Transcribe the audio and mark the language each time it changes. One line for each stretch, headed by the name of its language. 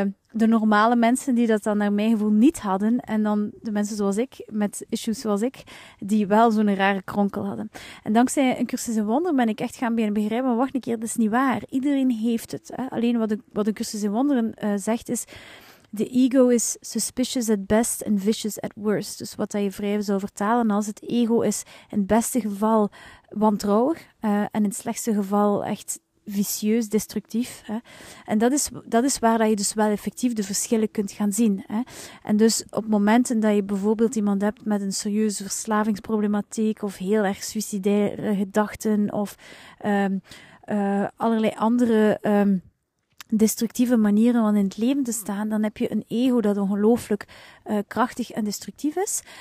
Dutch: De normale mensen die dat dan naar mijn gevoel niet hadden. En dan de mensen zoals ik, met issues zoals ik, die wel zo'n rare kronkel hadden. En dankzij een cursus in wonderen ben ik echt gaan beginnen begrijpen. Maar wacht een keer, dat is niet waar. Iedereen heeft het. Hè? Alleen wat een cursus in wonderen zegt is...
English: The ego is suspicious at best and vicious at worst.
Dutch: Dus wat dat je vrij zou vertalen als het ego is in het beste geval wantrouwig. En in het slechtste geval echt... vicieus, destructief. Hè. En dat is waar dat je dus wel effectief de verschillen kunt gaan zien. Hè. En dus op momenten dat je bijvoorbeeld iemand hebt met een serieuze verslavingsproblematiek of heel erg suïcidaire gedachten of allerlei andere destructieve manieren om in het leven te staan, dan heb je een ego dat ongelooflijk krachtig en destructief is.